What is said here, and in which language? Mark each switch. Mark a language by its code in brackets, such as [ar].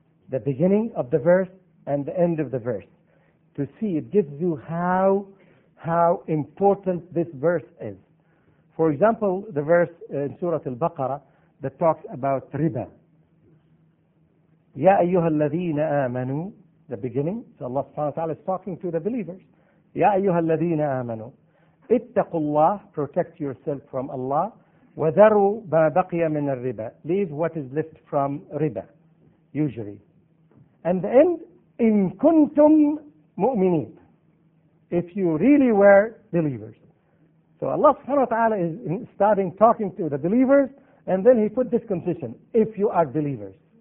[en] The beginning of the verse and the end of the verse. To see, it gives you how important this verse is. For example, the verse in Surah Al-Baqarah that talks about riba. [ar] يَا أَيُّهَا الَّذِينَ آمَنُوا, [en] the beginning, so Allah subhanahu wa ta'ala is talking to the believers. [ar] يَا أَيُّهَا الَّذِينَ آمَنُوا اتَّقُوا اللَّهِ, [en] protect yourself from Allah. [ar] وَذَرُوا مَا بَقِيَ مِنَ الرِّبَى, [en] leave what is left from riba, usury. And the end, [ar] إِن كُنْتُمْ مُؤْمِنِينَ, [en] if you really were believers. So Allah subhanahu wa ta'ala is starting talking to the believers, and then he put this condition, if you are believers.